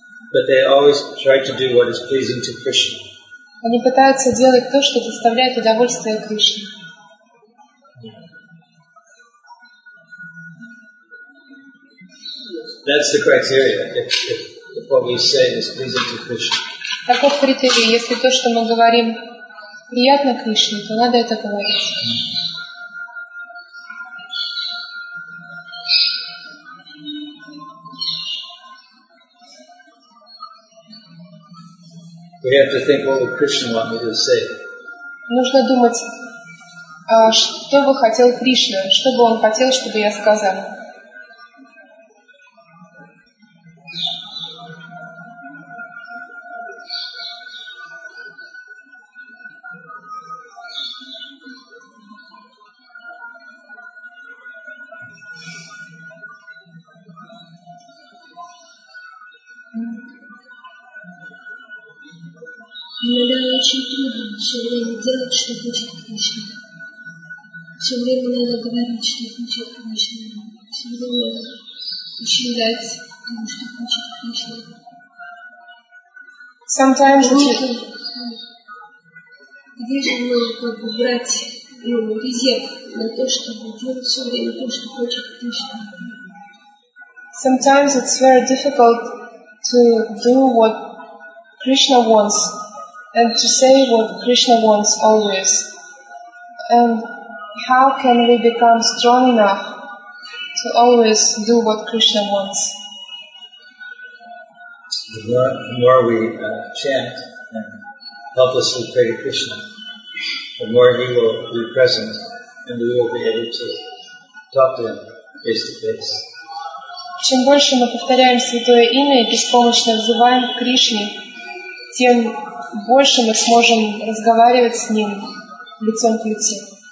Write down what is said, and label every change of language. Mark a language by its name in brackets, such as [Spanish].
[English] But they always try to do what is pleasing to Krishna. [Russian] Они пытаются делать то, что доставляет удовольствие Кришне. [English] That's the criteria. If what we say is pleasing to Krishna. [Russian] Таков критерий. Если то, что мы говорим, приятно Кришне, то надо это говорить. [English] We have to think, what would Krishna want me to say? [Russian] Нужно думать, что бы хотел Кришна, что бы он хотел, чтобы я сказал. Иногда очень трудно все время делать, что хочет Кришна. Все время надо говорить, что хочет Кришна. Все время ущемляться, потому что хочет Кришна. [English] Sometimes [Russian] где же мы как бы брать резерв на то, чтобы делать все время то, что хочет Кришна? [English] Sometimes it's very difficult to do what Krishna wants. And to say what Krishna wants always. And how can we become strong enough to always do what Krishna wants? The more we chant and helplessly pray to Krishna, the more he will be present and we will be able to talk to him face to face. [Russian] Чем больше мы повторяем Святое Имя и беспомощно взываем к Кришне, тем больше мы сможем разговаривать с ним лицом к лицу.